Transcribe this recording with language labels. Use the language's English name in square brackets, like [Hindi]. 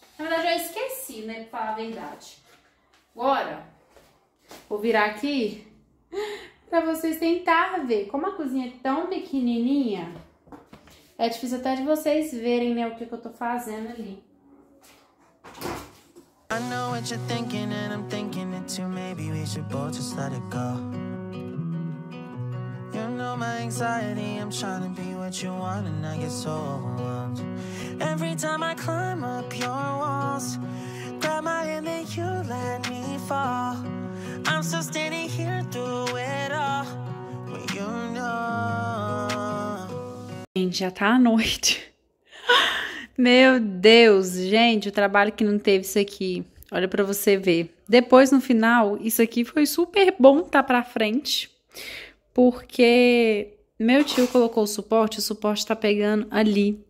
[Portuguese] Na verdade, eu esqueci, né? Pra falar a verdade. Agora, vou virar aqui pra vocês tentarem ver. Como a cozinha é tão pequenininha... É difícil até de vocês verem, né, o que eu tô fazendo ali. [English] I know what you're thinking and I'm thinking it too. Maybe we should both just let it go. You know my anxiety, I'm trying to be what you want and I get so overwhelmed. Every time I climb up your walls, grab my hand and you let me fall. I'm still standing here through it all, but you know. [Portuguese] Gente, já tá à noite. Meu Deus, gente, o trabalho que não teve isso aqui. Olha pra você ver. Depois, no final, isso aqui foi super bom tá pra frente. Porque meu tio colocou o suporte tá pegando ali.